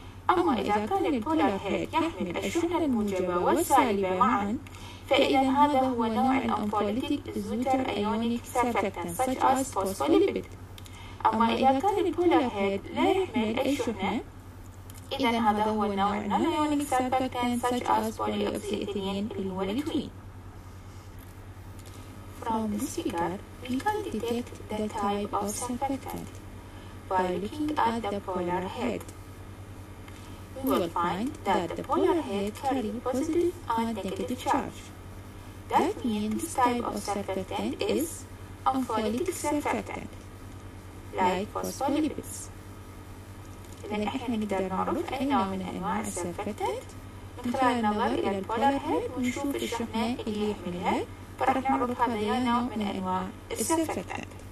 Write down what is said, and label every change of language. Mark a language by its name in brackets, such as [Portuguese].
[Arabic] أما إذا كان البولار هيد يحمل الشحنة الموجبة والسالبة معا فإذا هذا هو نوع الأمفوليتيك زوتر أيونيك سيرفكتان such as فوسفوليبيد. أما إذا كان البولار هيد لا يحمل أي شحنة إذا هذا هو نوع non-ionic surfactant such as polyoxyethylene اللي هو الليتوين. [English] From this figure, we can detect the type of surfactant by looking at the polar head. We will find that the polar head carry positive and negative charge. That means this type of surfactant is amphipolytic surfactant, like phospholipids. [Arabic] إذن إحنا نقدر نعرف أي نوع من أنواع السيرفكتنت من خلال النظر إلى البولار هيد ونشوف الشحنة اللي يحملها، فرح نعرف هذا نوع من أنواع السيرفكتنت.